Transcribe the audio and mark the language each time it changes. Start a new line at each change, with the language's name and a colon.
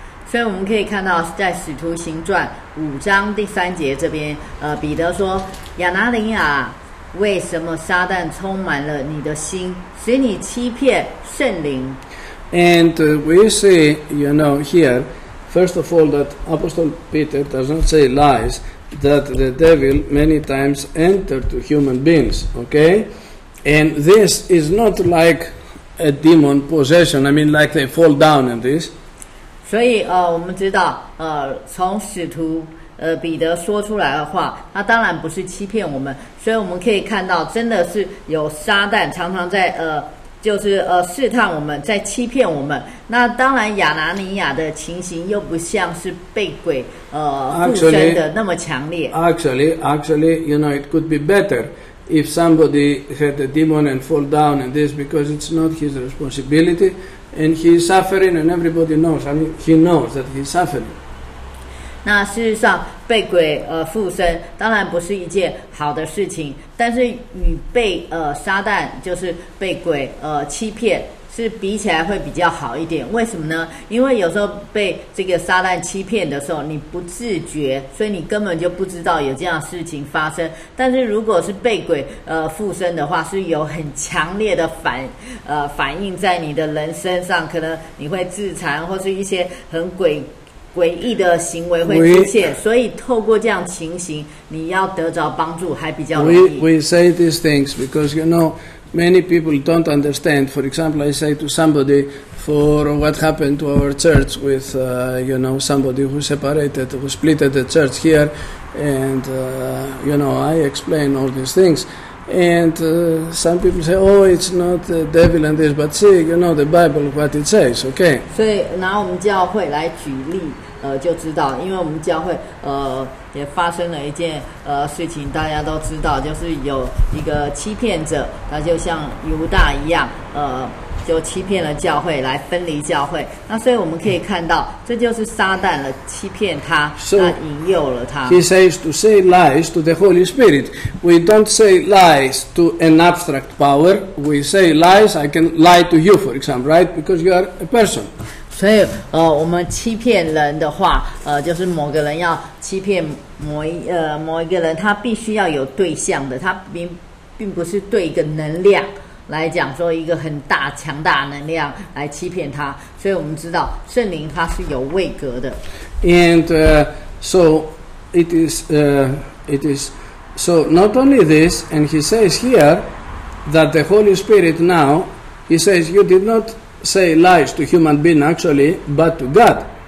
Chinese: 所以我们可以看到，在《使徒行传》五章第三节这边，彼得说：“亚拿尼亚，为什么撒旦充满了你的心，使你欺骗圣灵？”
English: And we see, you know, here, first of all, that Apostle Peter does not say lies, that the devil many times entered to human beings, okay? And this is not like a demon possession, I mean, like they fall down in this.
Chinese: 所以我们知道从使徒彼得说出来的话，他当然不是欺骗我们，所以我们可以看到真的是有撒旦常常在就是试探我们，在欺骗我们。那当然亚拿尼亚的情形又不像是被鬼附身的那么强烈。
English: Actually, you know, it could be better if somebody had a demon and fall down in this, because it's not his responsibility and he's suffering and everybody knows, I mean, he knows that he's suffering.
Chinese: 那事实上被鬼附身当然不是一件好的事情，但是与被撒旦就是被鬼欺骗是比起来会比较好一点。为什么呢？因为有时候被这个撒旦欺骗的时候你不自觉，所以你根本就不知道有这样的事情发生。但是如果是被鬼附身的话，是有很强烈的反应在你的人身上，可能你会自残或是一些很诡异的行为会出现，所以透过这样情形你要得着帮助还比较容易。
English: We say these things because, you know, many people don't understand. For example, I say to somebody, for what happened to our church with, you know, somebody who separated, who split the church here, and, you know, I explain all these things. And some people say, oh, it's not the devil and this, but see, you know, the Bible, what it says, okay?
Chinese: 所以拿我们教会来举例，就知道，因为我们教会也发生了一件事情，大家都知道，就是有一个欺骗者，他就像犹大一样，就欺骗了教会，来分离教会。那所以我们可以看到，这就是撒旦了，欺骗他， so, 他引诱了他。
English: He says to say lies to the Holy Spirit. We don't say lies to an abstract power. We say lies. I can lie to you, for example, right? Because you are a person.
Chinese: 所以我们欺骗人的话，就是某个人要欺骗某一个人，他必须要有对象的，他并不是对一个能量。来讲说一个很大强大能量来欺骗他，所以我们知道圣灵他是有位格的。
English: And so it is so not only this, and he says here that the Holy Spirit now, he says you did not say lies to human being actually, but to God.